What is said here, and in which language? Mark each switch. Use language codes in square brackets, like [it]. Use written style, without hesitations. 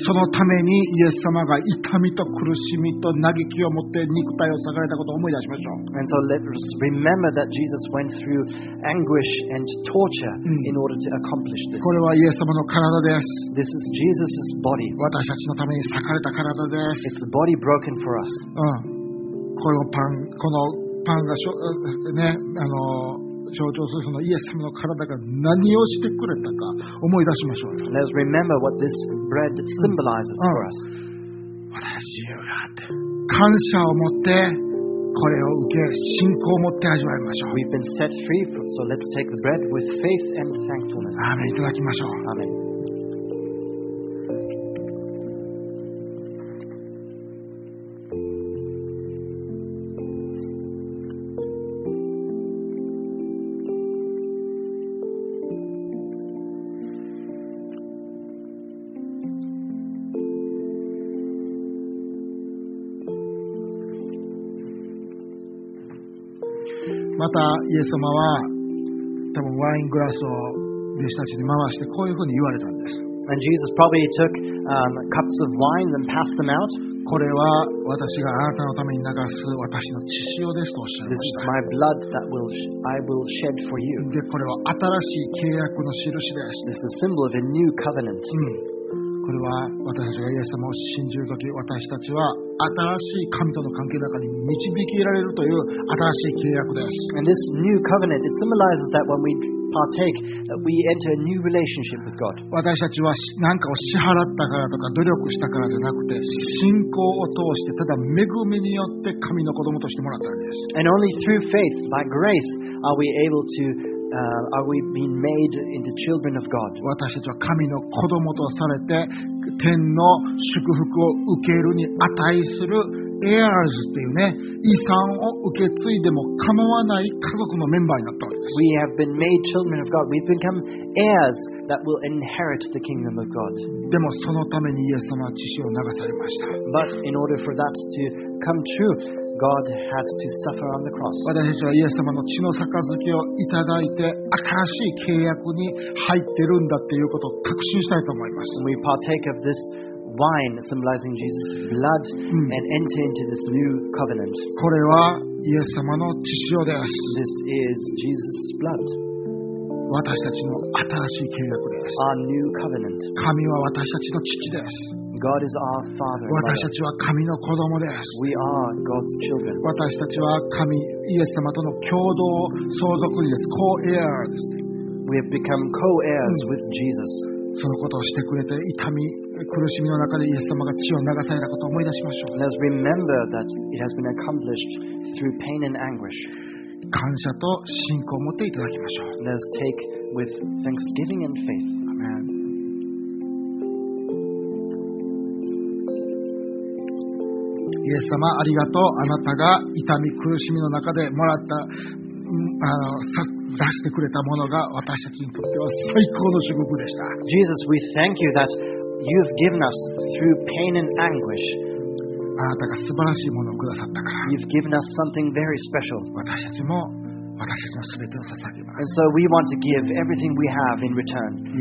[ja] そのためにイエス様が痛みと苦しみと嘆きを持って肉体を裂かれたことを思い出しましょう。 [en] And so let us remember that Jesus went through anguish and torture in order to accomplish this. [ja] これはイエス様の体です。 [en] This is Jesus' body. [ja] 私たちのために裂かれた体です。 [en] It's a body broken for us. [ja] このパンがね、象徴するそのイエス様の体が何をしてくれたか思い出しましょう。 [en] Let us remember what this bread symbolizes for us. [ja] 私は感謝を持ってこれを受け、信仰を持って味わいましょう。 [en] We've been set free, so let's take the bread with faith and thankfulness. [ja] アーメン、いただきましょう。 [en] アーメン。 [ja] またイエス様は多分ワイングラスを弟子たちに回してこういうふうに言われたんです。 [en] And Jesus probably took cups of wine and passed them out. [ja] これは私があなたのために流す私の血潮ですとおっしゃいました。 [en] This is my blood that I will shed for you. [ja] でこれは新しい契約の印です。 [en] This is a symbol of a new covenant. [ja] これは私たちがイエス様を信じるとき、私たちは新しい神との関係の中に導き入られるという新しい契約です。 [en] And this new covenant, it symbolizes that when we partake, that we enter a new relationship with God. [ja] 私たちは何かを支払ったからとか努力したからじゃなくて、信仰を通してただ恵みによって神の子供としてもらったんです。 [en] And only through faith, by grace, are we able to are we being made into children of God. [ja] 私たちは神の子供とされて、天の祝福を受けるに値するエアーズっていうね、遺産を受け継いでも構わない家族のメンバーになったわけです。 [en] We have been made children of God. We've become heirs that will inherit the kingdom of God. [ja] でもそのためにイエス様は血潮を流されました。 [en] But in order for that to come true, God had to suffer on the cross. [ja] 私たちはイエス様の血の杯をいただいて新しい契約に入ってるんだっていうことを確信したいと思います。 [en] We partake of this wine symbolizing Jesus' blood and enter into this new covenant. [ja] これはイエス様の血潮です。 [en] This is Jesus' blood. [ja] 私たちの新しい契約です。 [en] Our new covenant. [ja] 神は私たちの父です。 [en] God is our father. [ja] 私たちは神の子供です。 [en] We are God's children. [ja] 私たちは神、イエス様との共同相続人です。 [en] Co-heirs. We have become co-heirs with Jesus. [ja] そのことをしてくれて、痛み、苦しみの中でイエス様が血を流されたことを思い出しましょう。 [en] Let's remember that it has been accomplished through pain and anguish. [ja] 感謝と信仰を持っていただきましょう。 [en] Let's take with thanksgiving and faith. Amen. [ja] イエス様ありがとう。あなたが痛み苦しみの中でもらった、出してくれたものが私たちにとっては最高の祝福でした。 [en] Jesus, we thank you that you've given us through pain and anguish. [ja] あなたが素晴らしいものをくださったから。 [en] You've given us something very special. [ja] 私たちも [en] And so we want to give everything we have in return.